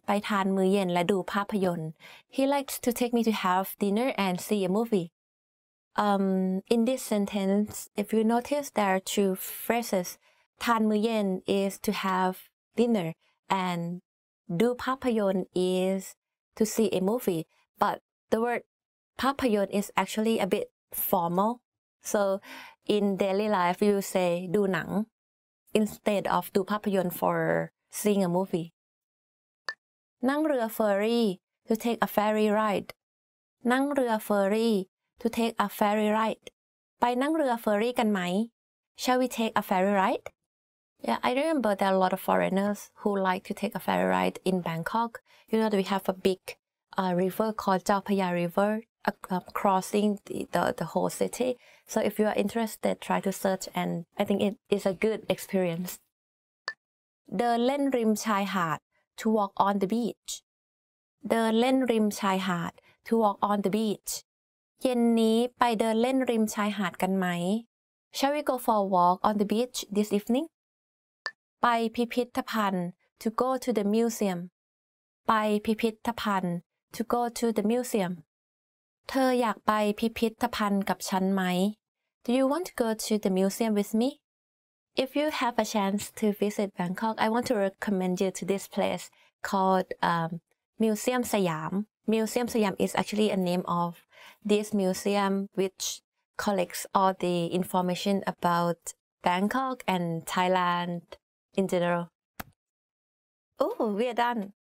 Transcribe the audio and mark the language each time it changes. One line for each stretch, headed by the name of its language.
Thai: เขาชอบพาฉันไปทานมื้อเย็นและดูภาพยนตร์
English: He likes to take me to have dinner and see a movie. In this sentence, if you notice, there are two phrases.
Thai: ทานมื้อเย็น
English: is to have dinner and
Thai: ดูภาพยนตร์
English: is to see a movie. But the word ภาพยนตร์ is actually a bit formal. So in daily life, you say
Thai: "du nang"
English: instead of
Thai: "du papayon"
English: for seeing a movie.
Thai: Nang rua ferry,
English: to take a ferry ride. Nang rua ferry, to take a ferry ride.
Thai: Bai nang rua ferry gan mai?
English: Shall we take a ferry ride? Yeah, I remember there are a lot of foreigners who like to take a ferry ride in Bangkok. You know, we have a big river called Chao Phraya River, crossing the whole city. So if you are interested, try to search, and I think it is a good experience.
Thai: เดินเล่นริมชายหาด,
English: to walk on the beach. เดินเล่นริมชายหาด, to walk on the beach.
Thai: เย็นนี้ไปเดินเล่นริมชายหาดกันไหม?
English: Shall we go for a walk on the beach this evening?
Thai: ไปพิพิธภัณฑ์,
English: to go to the museum. ไปพิพิธภัณฑ์, to go to the museum.
Thai: เธออยากไปพิพิธภัณฑ์กับฉันไหม?
English: Do you want to go to the museum with me? If you have a chance to visit Bangkok, I want to recommend you to this place called Museum Siam. Museum Siam is actually a name of this museum which collects all the information about Bangkok and Thailand in general. Oh, we are done.